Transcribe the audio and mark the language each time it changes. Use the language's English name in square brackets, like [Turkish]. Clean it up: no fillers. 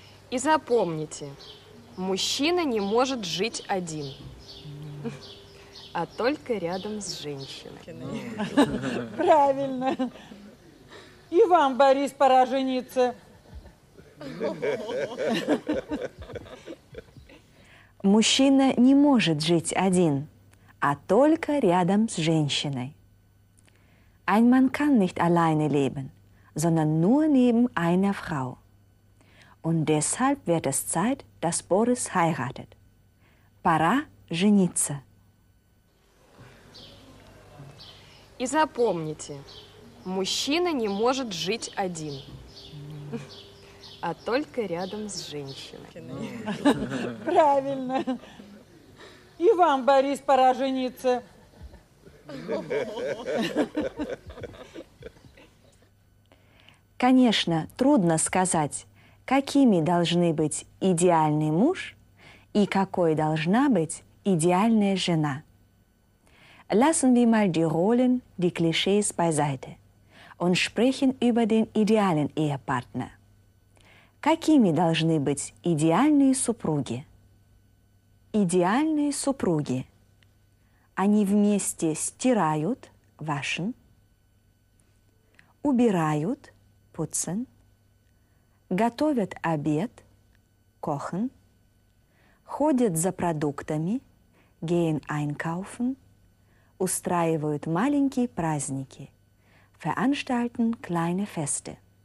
[Russian] И запомните, мужчина не может жить один, а только рядом с женщиной. Правильно. И вам, Борис, пора жениться. Мужчина не может жить один, а только рядом с женщиной. [German] Ein Mann kann nicht alleine leben, sondern nur neben einer Frau. Und deshalb wird es Zeit, dass Boris heiratet. [Russian] Пора жениться. И запомните, мужчина не может жить один, а только рядом с женщиной. Правильно. И вам, Борис, пора жениться. Конечно, трудно сказать, какими должны быть идеальный муж и какой должна быть идеальная жена. [German] Lassen wir mal die Rollen, die Klischees beiseite und sprechen über den idealen Ehepartner. [Russian] Какими должны быть идеальные супруги? Идеальные супруги. Они вместе стирают, [German] waschen, [Russian] убирают, [German] putzen, [Russian] готовят обед, [German] kochen, [Russian] ходят за продуктами, [German] gehen einkaufen, [Russian] устраивают маленькие праздники, [German] veranstalten kleine Feste.